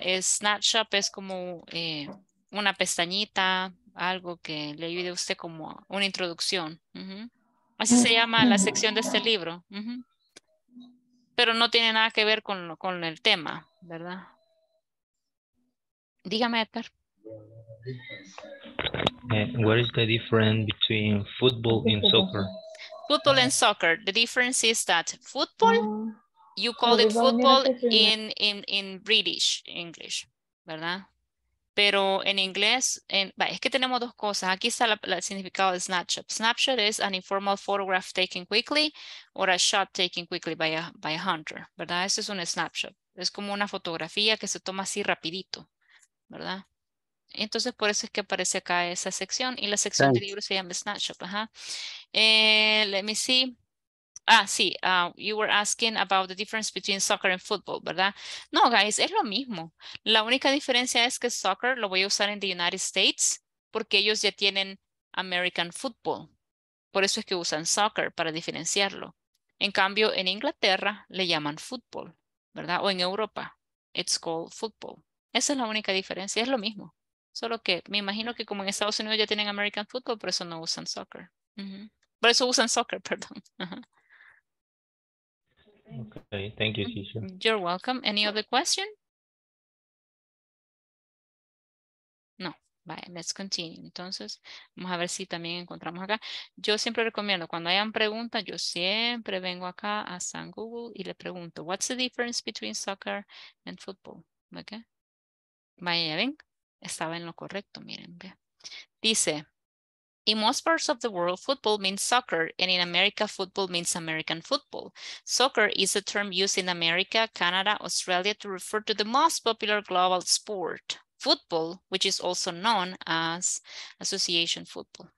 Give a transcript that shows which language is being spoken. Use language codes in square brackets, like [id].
[es] Es snapshot, es como una pestañita, algo que le ayude a usted como una introducción. Uh-huh. Así se llama la sección de este libro. Uh-huh. Pero no tiene nada que ver con el tema, ¿verdad? Dígame, Edgar. [en] What is the difference between football and soccer? Football and soccer. The difference is that football, you call it football in British English, ¿verdad? [es] Pero en inglés, es que tenemos dos cosas. Aquí está el significado de snapshot. [en] Snapshot is an informal photograph taken quickly or a shot taken quickly by a hunter, ¿verdad? [es] Eso es un snapshot. Es como una fotografía que se toma así rapidito, ¿verdad? Entonces, por eso es que aparece acá esa sección. Y la sección del libro se llama snapshot. [en] Ajá. Let me see. You were asking about the difference between soccer and football, ¿verdad? [es] No, guys, es lo mismo. La única diferencia es que soccer lo voy a usar en the United States porque ellos ya tienen American football. Por eso es que usan soccer para diferenciarlo. En cambio, en Inglaterra le llaman fútbol, ¿verdad? O en Europa, [en] it's called football. [es] Esa es la única diferencia, es lo mismo. Solo que me imagino que como en Estados Unidos ya tienen American football, por eso no usan soccer. Uh-huh. Por eso usan soccer, perdón. Uh-huh. [en] Okay, thank you, teacher. You're welcome. Any other question? [es] No, vale, [en] let's continue. [es] Entonces, vamos a ver si también encontramos acá. Yo siempre recomiendo, cuando hayan preguntas, yo siempre vengo acá a San Google y le pregunto, [en] what's the difference between soccer and football? [es] Okay. Vaya, ya ven, estaba en lo correcto, miren, vea. [en] Dice, in most parts of the world, football means soccer, and in America, football means American football. Soccer is a term used in America, Canada, Australia to refer to the most popular global sport, football, which is also known as association football.